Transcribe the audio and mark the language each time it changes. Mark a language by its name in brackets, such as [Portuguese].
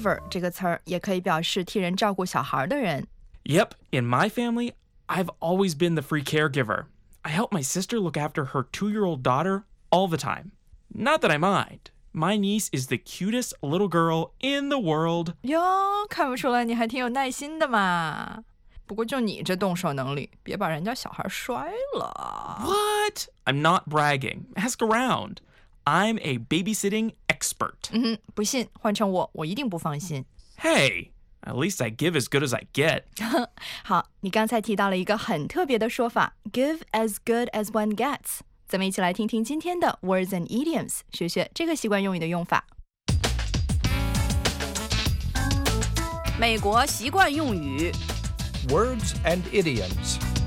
[Chinese] 这个词儿也可以表示替人照顾小孩的人。 [English] Yep, in my family, I've always been the free caregiver. I help my sister look after her two-year-old daughter all the time. Not that I mind. My niece is the cutest little girl in the world. [Chinese] 哟，看不出来你还挺有耐心的嘛。不过就你这动手能力，别把人家小孩摔了。 [English] What? I'm not bragging. Ask around. I'm a babysitting expert. [Chinese] 不信，换成我，我一定不放心。 [English] Hey, at least I give as good as I get. [Chinese] 好，你刚才提到了一个很特别的说法 ， [English] give as good as one gets。 [Chinese] 咱们一起来听听今天的 [English] words and idioms， [Chinese] 学学这个习惯用语的用法。美国习惯用语。 [English] Words and idioms.